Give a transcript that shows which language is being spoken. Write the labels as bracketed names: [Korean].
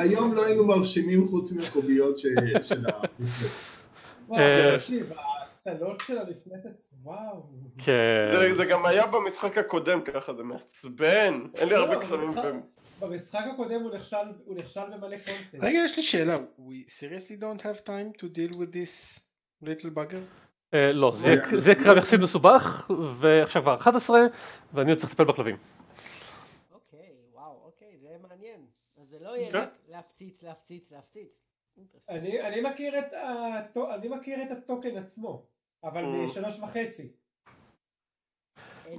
[Hebrew] היום לא היינו מרשימים חוץ מהקוביות של ה... וואו, תקשיב, הצלות של המפלטת, וואו. כן. זה גם היה במשחק הקודם ככה, זה מעצבן. אין לי הרבה קסמים ו... במשחק הקודם הוא נכשל במלא קונסט. רגע, יש לי שאלה. [English] We seriously don't have time to deal with this little bugger? [Hebrew] לא, זה קרב יחסית מסובך, ועכשיו כבר 11, ואני עוד צריך לטפל בכלבים. אוקיי, וואו, אוקיי, זה מעניין. אז זה לא יהיה רק להפציץ, להפציץ, להפציץ. אני מכיר את הטוקן עצמו, אבל ב3.5.